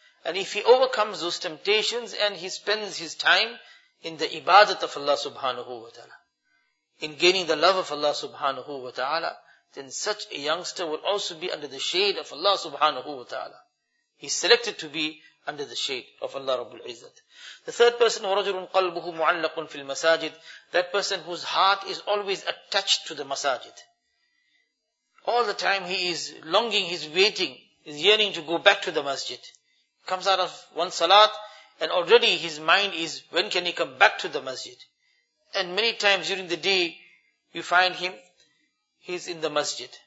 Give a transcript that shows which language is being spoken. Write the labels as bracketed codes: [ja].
[en] And if he overcomes those temptations and he spends his time in the ibadat of Allah subhanahu wa ta'ala, in gaining the love of Allah subhanahu wa ta'ala, then such a youngster will also be under the shade of Allah subhanahu wa ta'ala. He's selected to be under the shade of Allah Rabbul Izzat. The third person, [ar] وَرَجُلٌ قَلْبُهُ مُعَلَّقٌ فِي الْمَسَاجِدِ. [en] That person whose heart is always attached to the masajid. All the time he is longing, he's waiting, he's yearning to go back to the masjid. Comes out of one salat, and already his mind is, when can he come back to the masjid? And many times during the day, you find him, he's in the masjid.